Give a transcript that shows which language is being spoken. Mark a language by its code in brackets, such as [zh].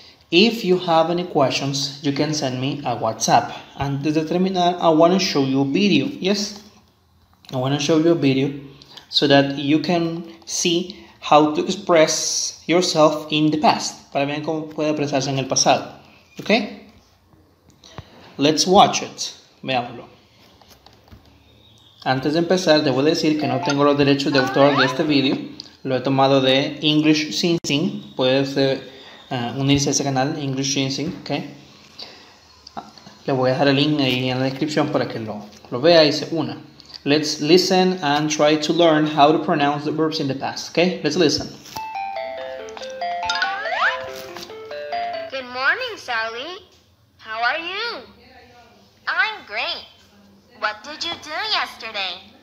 [en] If you have any questions, you can send me a WhatsApp. [es] Antes de terminar, [en] I want to show you a video, yes. I want to show you a video so that you can see how to express yourself in the past. [es] Para ver cómo puede expresarse en el pasado. Okay? [en] Let's watch it. [es] Veámoslo. Antes de empezar, debo decir que no tengo los derechos de autor de este video. Lo he tomado de English Sing Sing. Puedes unirse a ese canal, English Sing Sing. Okay? Le voy a dejar el link ahí en la descripción para que lo vea y se una. [en] Let's listen and try to learn how to pronounce the verbs in the past, okay? Let's listen. Good morning, Sally. How are you? I'm great. What did you do yesterday?